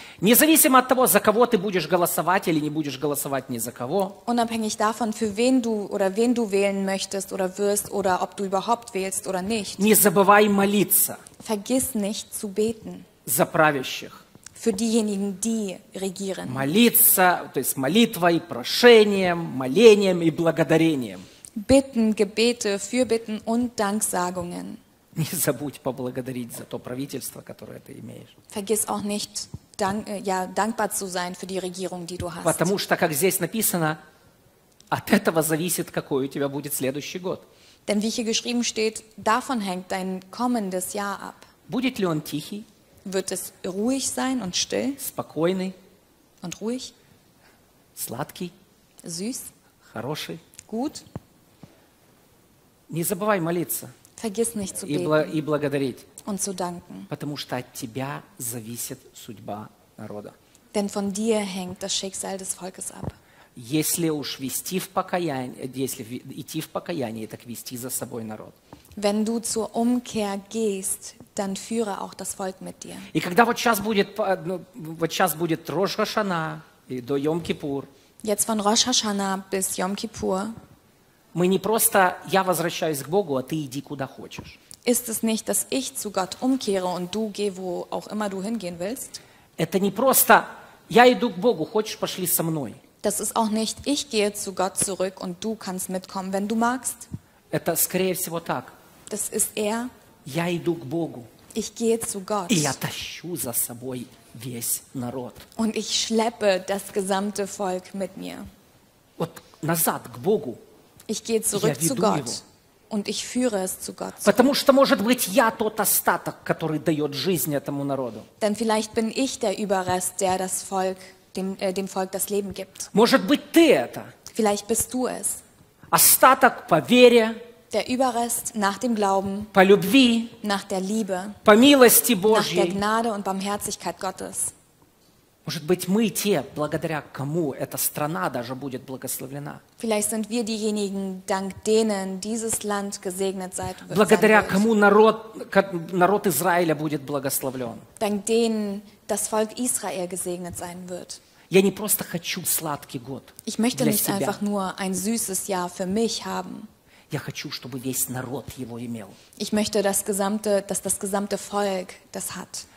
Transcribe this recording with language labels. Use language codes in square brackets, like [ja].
[ru] Независимо от того, за кого ты будешь голосовать или не будешь голосовать ни за кого. [de] Unabhängig davon, für wen du oder wen du wählen möchtest oder wirst oder ob du überhaupt wählst oder nicht. [ru] Не забывай молиться. [de] Vergiss nicht zu beten. [ru] За правящих. [de] Für diejenigen, die regieren. [ru] Молиться, то есть молитвой, прошением, молением и благодарением. [de] Bitten, Gebete, Fürbitten und Danksagungen. [ru] Не забудь поблагодарить за то правительство, которое ты имеешь. [de] Vergiss auch nicht, dankbar zu sein für die Regierung, die du hast. [ru] Потому что, как здесь написано, от этого зависит, какой у тебя будет следующий год. [de] Denn wie hier geschrieben steht, davon hängt dein kommendes Jahr ab. [ru] Будет ли он тихий? [de] Wird es ruhig sein und still? [ru] Спокойный. [de] Und ruhig? [ru] Сладкий. [de] Süß. [ru] Хороший. [de] Gut. [ru] Не забывай молиться. [de] Vergiss nicht zu beten. [ru] И благодарить. [de] Und zu danken. [ru] Потому что от тебя зависит судьба народа. [de] Denn von dir hängt das Schicksal des Volkes ab. [ru] Если уж вести в покаяние, если идти в покаяние, так вести за собой народ. [de] Wenn du zur Umkehr gehst, dann führe auch das Volk mit dir. [ru] И когда вот сейчас будет, ну, вот сейчас будет Рош Хашана и до Йом-Кипур. [de] Jetzt von Rosh Hashanah bis Yom Kippur. [ru] Мы не просто я возвращаюсь к Богу, а ты иди куда хочешь. [de] Ist es nicht, dass ich zu Gott umkehre und du geh wo auch immer du hingehen willst? [ru] Это не просто я иду к Богу, хочешь пошли со мной. [de] Das ist auch nicht, ich gehe zu Gott zurück und du kannst mitkommen, wenn du magst. [ru] Это скорее всего так. [de] Das ist eher. [ru] Я иду к Богу. [de] Ich gehe zu Gott. [ru] И я тащу за собой весь народ. [de] Und ich schleppe das gesamte Volk mit mir. [ru] Вот назад к Богу. [de] Ich gehe zurück zu Gott. Und ich führe es zu Gott. [ru] Потому что может быть я тот остаток, который дает жизнь этому народу. [de] Denn vielleicht bin ich der Überrest, der das Volk dem Volk das Leben gibt. [ru] Может быть ты это. [de] Vielleicht bist du es. [ru] Остаток по вере. [de] Der Überrest nach dem Glauben. [ru] По любви. [de] Nach der Liebe. [ru] По милости Божьей. [de] Nach der Gnade und Barmherzigkeit Gottes. [ru] Может быть, мы те, благодаря кому эта страна даже будет благословлена. [de] Vielleicht sind wir diejenigen, dank denen dieses Land gesegnet sein wird. [ru] Благодаря кому народ Израиля будет благословлен. [de] Dank denen das Volk Israel gesegnet sein wird. [ru] Я не просто хочу сладкий год. [de] Ich möchte nicht einfach nur ein süßes Jahr für mich haben. [ru] Я хочу, чтобы весь народ его имел. [de] Ich möchte, dass das gesamte Volk das hat.